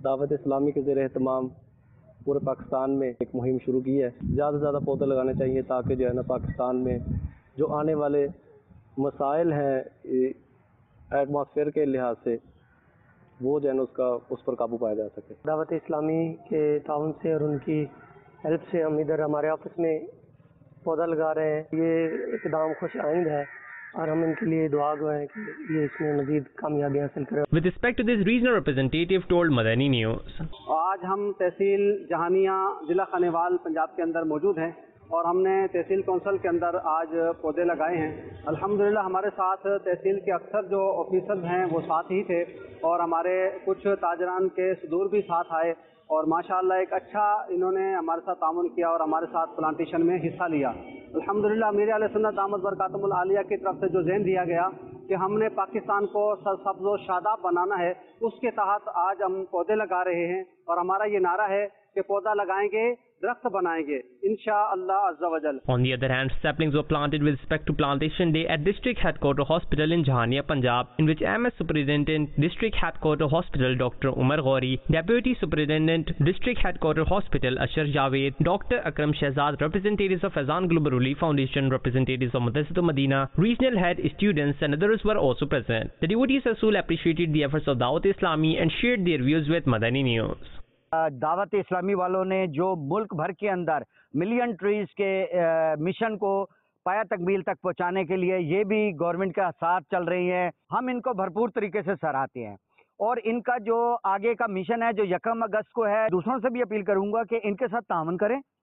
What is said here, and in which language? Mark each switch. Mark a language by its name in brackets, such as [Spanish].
[Urdu] دعوت اسلامی کے زیر اہتمام پورے پاکستان میں ایک مہم شروع کی ہے, زیادہ سے زیادہ پودے لگانے چاہیے تاکہ جو ہے نا پاکستان میں جو آنے والے مسائل ہیں ایٹماسفیئر کے لحاظ سے وہ جو ہے نا اس کا اس پر قابو پایا جا سکے. دعوت اسلامی کے تعاون سے اور ان کی ہیلپ سے ہم ادھر ہمارے آفس میں پودا لگا رہے ہیں. یہ اقدام خوش آئند ہے اور ہم ان کے لیے دعا گو ہیں کہ یہ اس میں مزید کامیابی حاصل کریں. [English] With respect to this regional representative told Madani News. [Urdu] آج ہم تحصیل جہانیہ ضلع خانیوال پنجاب کے اندر موجود ہیں اور ہم نے تحصیل کونسل کے اندر آج پودے لگائے ہیں. الحمدللہ ہمارے ساتھ تحصیل کے اکثر جو آفیسر ہیں وہ ساتھ ہی تھے اور ہمارے کچھ تاجران کے صدور بھی ساتھ آئے اور ماشاءاللہ ایک اچھا انہوں نے ہمارے ساتھ تعاون کیا اور ہمارے ساتھ پلانٹیشن میں حصہ لیا. الحمدللہ امیر علیہ سنت دامت برکاتم العالیہ کی طرف سے جو ذہن دیا گیا کہ ہم نے پاکستان کو سرسبز و شاداب بنانا ہے, اس کے تحت آج ہم پودے لگا رہے ہیں اور ہمارا یہ نعرہ ہے کہ پودا لگائیں گے درخت بنائیں گے انشاءاللہ عز و جل. [English] On the other hand, saplings were planted with respect to plantation day at district headquarter hospital in Jahania, Punjab, in which MS superintendent district headquarter hospital Dr. Umar Ghori, deputy superintendent district headquarter hospital Ashar Javed, Dr. Akram Shahzad, representatives of Azan Global Relief Foundation, representatives of Madrasatul Madina, regional head, students and others were also present. The devotees of Sul appreciated the efforts of Dawat Islami and shared their views with Madani News. [Urdu] دعوت اسلامی والوں نے جو ملک بھر کے اندر million trees کے mission کو پایا تکمیل تک پہنچانے کے لیے یہ بھی گورنمنٹ کے ساتھ چل رہی ہیں, ہم ان کو بھرپور طریقے سے سراہتے ہیں اور ان کا جو آگے کا مشن ہے جو 1 اگست کو ہے, دوسروں سے بھی اپیل کروں گا کہ ان کے ساتھ تعاون کریں.